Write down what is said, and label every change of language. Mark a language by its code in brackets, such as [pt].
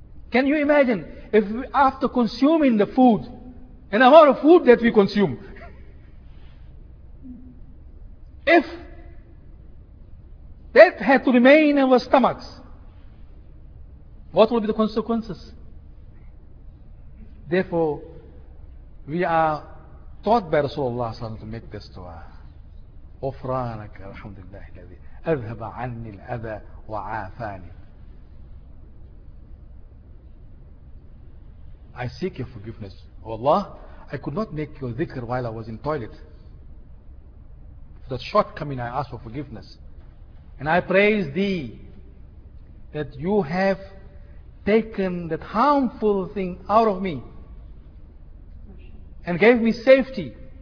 [en] Can you imagine if after consuming the food, and the amount of food that we consume, if that had to remain in our stomachs, what would be the consequences? Therefore, we are taught by Rasulullah to make this dua. [ar] غفرانك الحمد لله الذي أذهب عني الأذى وعافاني. [en] I seek your forgiveness. Oh Allah, I could not make your dhikr while I was in toilet. For that shortcoming, I ask for forgiveness. And I praise thee that you have taken that harmful thing out of me and gave me safety.